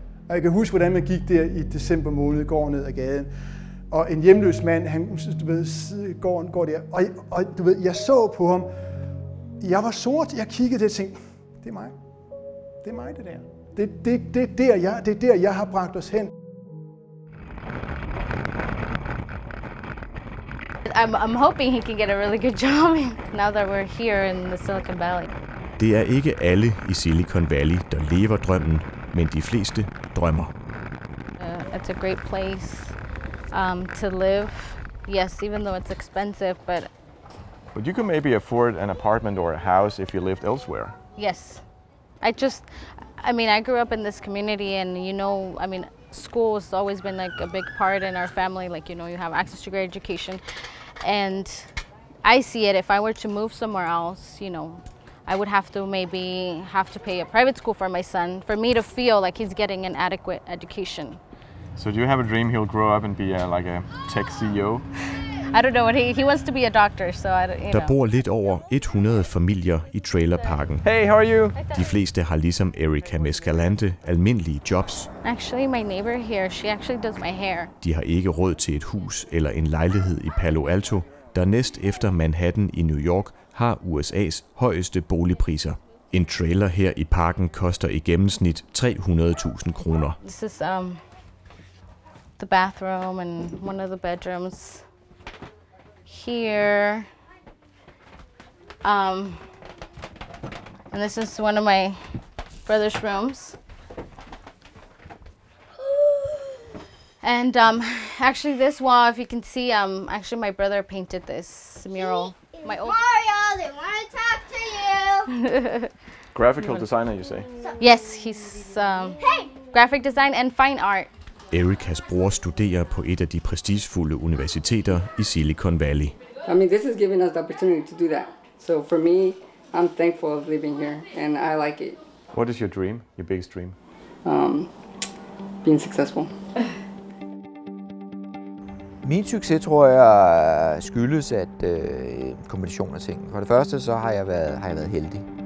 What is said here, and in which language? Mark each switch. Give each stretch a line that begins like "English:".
Danish: Og jeg kan huske, hvordan man gik der i december måned, går ned ad gaden, og en hjemløs mand, han, du ved, gården går der, og du ved, jeg så på ham, jeg var sort, jeg kiggede og tænkte, det er mig. Det er mig, det der. Det er der, jeg har bragt os hen.
English: I'm hoping he can get a really good job now that we're here in the Silicon Valley.
Danish: Det er ikke alle i Silicon Valley, der lever drømmen, men de fleste drømmer.
English: It's a great place to live. Yes, even though it's expensive, but But you could maybe afford an apartment or a house if you lived elsewhere. Yes. I grew up in this community, and school's always been like a big part in our family. Like, you have access to great education. And I see it, if I were to move somewhere else, I would have to maybe have to pay a private school for my son, for me to feel like he's getting an adequate education. So do you have a dream he'll grow up and be a tech CEO? I don't know, he wants to be a doctor, so I don't know.
Danish: Der bor lidt over 100 familier i trailerparken.
English: Hey, how are you?
Danish: De fleste har ligesom Erica Mescalante almindelige jobs.
English: Actually, my neighbor here, she actually does my hair.
Danish: De har ikke råd til et hus eller en lejlighed i Palo Alto, der næst efter Manhattan i New York har USA's højeste boligpriser. En trailer her i parken koster i gennemsnit 300.000 kroner.
English: This is the bathroom and one of the bedrooms here. And this is one of my brother's rooms. And actually this wall, if you can see, actually my brother painted this mural. My old Mario, they want to talk to you. Graphical designer, you say? Yes, he's graphic design and fine art.
Danish: Ericas bror studerer på et af de prestigefulde universiteter i Silicon Valley.
English: I mean, this has given us the opportunity to do that. So for me, I'm thankful of living here and I like it. What is your dream, your biggest dream? Being successful.
Danish: Min succes tror jeg skyldes at kombination af ting. For det første så har jeg været heldig.